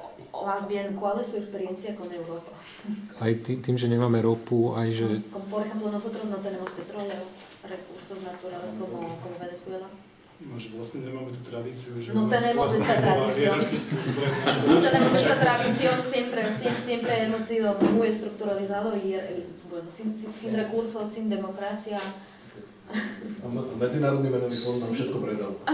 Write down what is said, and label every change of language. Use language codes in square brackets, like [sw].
[es] O más bien, ¿cuál es su experiencia con Europa? [sk] Aj tým, že nemáme ropu, aj že... [es] Por ejemplo, nosotros no tenemos petróleo, recursos naturales como Venezuela. [sk] Že vlastne nemáme tú tradíciu, že... [es] No tenemos esta tradición. No tenemos esta tradición, siempre hemos sido muy estructuralizado y, bueno, sin recursos, sin democracia. [sk] A medzinárodný menový fond nám všetko predal.